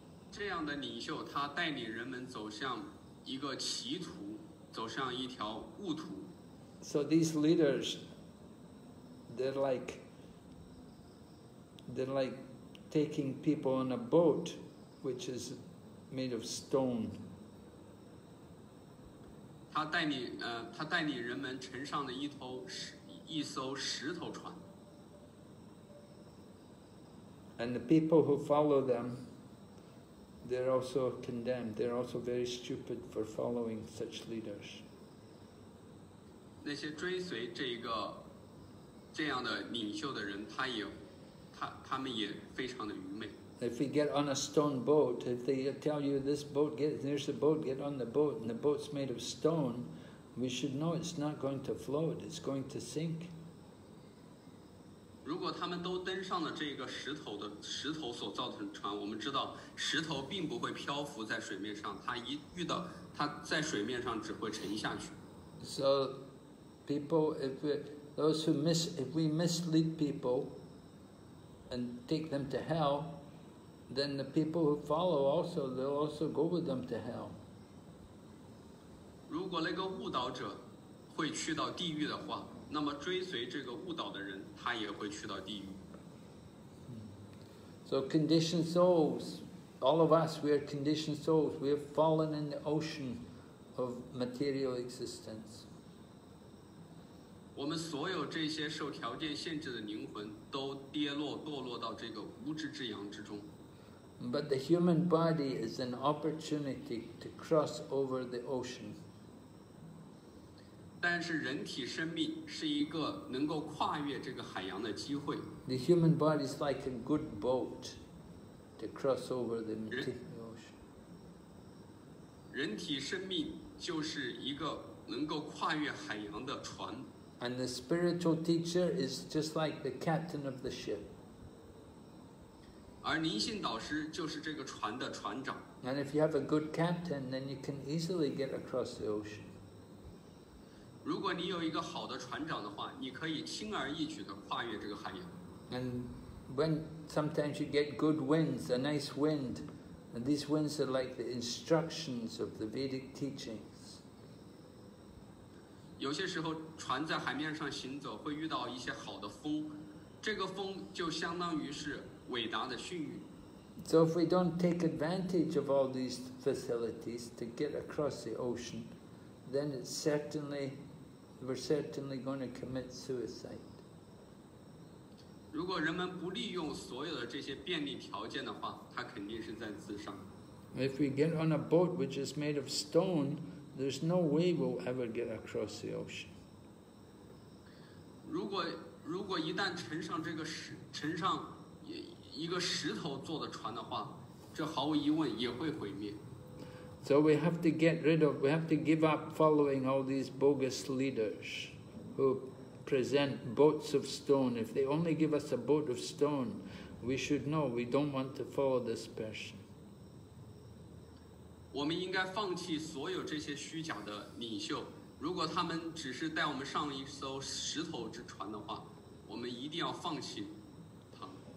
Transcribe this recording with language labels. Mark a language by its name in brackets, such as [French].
[Chinese] 这样的领袖，他带领人们走向一个歧途，走向一条误途。 [English] So these leaders, they're like taking people on a boat, which is made of stone. [Chinese] 他带领人们乘上了一艘石头船。 [English] And the people who follow them, they're also condemned. They're also very stupid for following such leaders. [Chinese] 那些追随这样的领袖的人，他们也非常的愚昧。 [English] If we get on a stone boat, if they tell you this boat, there's a boat, get on the boat, and the boat's made of stone, we should know it's not going to float, it's going to sink. [Chinese] 如果他们都登上了这个石头所造成的船，我们知道石头并不会漂浮在水面上，它在水面上只会沉下去。 [English] So, people, if we mislead people and take them to hell,then the people who follow also, they'll also go with them to hell. [Chinese] 如果那个误导者会去到地狱的话，那么追随这个误导的人，他也会去到地狱。 [English] So conditioned souls, all of us, we are conditioned souls. We have fallen in the ocean of material existence. [Chinese] 我们所有这些受条件限制的灵魂都堕落到这个无知之洋之中。 [English] But the human body is an opportunity to cross over the ocean. [Chinese] 但是人体生命是一个能够跨越这个海洋的机会。 [English] The human body is like a good boat to cross over the ocean. [Chinese] 人体生命就是一个能够跨越海洋的船。 [English] And the spiritual teacher is just like the captain of the ship. [Chinese] 而灵性导师就是这个船的船长。 [English] And if you have a good captain, then you can easily get across the ocean. [Chinese] 如果你有一个好的船长的话，你可以轻而易举地跨越这个海洋。 [English] And when sometimes you get good winds, a nice wind, and these winds are like the instructions of the Vedic teaching. [Chinese] 有些时候船在海面上行走会遇到一些好的风，这个风就相当于是伟大的训谕。 [English] So if we don't take advantage of all these facilities to get across the ocean, then we're certainly going to commit suicide. [Chinese] 如果人们不利用所有的这些便利条件的话，他肯定是在自杀。 [English] If we get on a boat which is made of stone,There's no way we'll ever get across the ocean. [Chinese] 如果一旦乘上这个石，乘上一个石头做的船的话，这毫无疑问也会毁灭。 [English] So we have to get rid of, we have to give up following all these bogus leaders who present boats of stone. If they only give us a boat of stone, we should know we don't want to follow this person. [Chinese] 我们应该放弃所有这些虚假的领袖。如果他们只是带我们上一艘石头之船的话，我们一定要放弃他们。